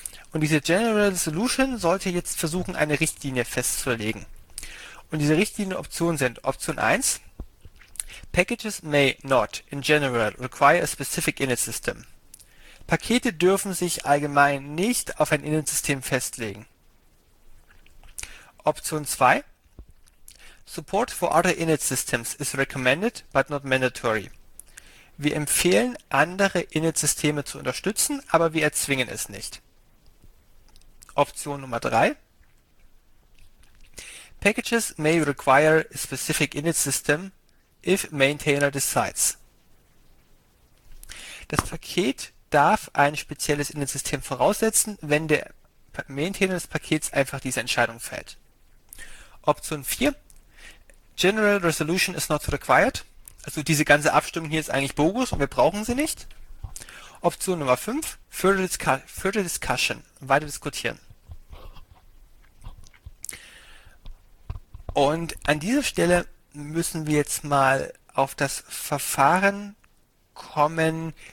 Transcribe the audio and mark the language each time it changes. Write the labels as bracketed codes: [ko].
[de] Und diese General Solution sollte jetzt versuchen, eine Richtlinie festzulegen. Und diese Richtlinienoptionen sind [en] Option 1: Packages may not in general require a specific init system. [de] Pakete dürfen sich allgemein nicht auf ein init system festlegen. [en] Option 2: Support for other init systems is recommended, but not mandatory. [de] Wir empfehlen, andere init systeme zu unterstützen, aber wir erzwingen es nicht. [en] Option Nummer 3: Packages may require a specific init system if maintainer decides. [de] Das Paket darf ein spezielles init system voraussetzen, wenn der Maintainer des Pakets einfach diese Entscheidung fällt. [en] Option 4: General Resolution is not required. [de] Also diese ganze Abstimmung hier ist eigentlich bogus und wir brauchen sie nicht. Option Nummer 5, [en] further discussion, [de] weiter diskutieren. Und an dieser Stelle müssen wir jetzt mal auf das Verfahren kommen,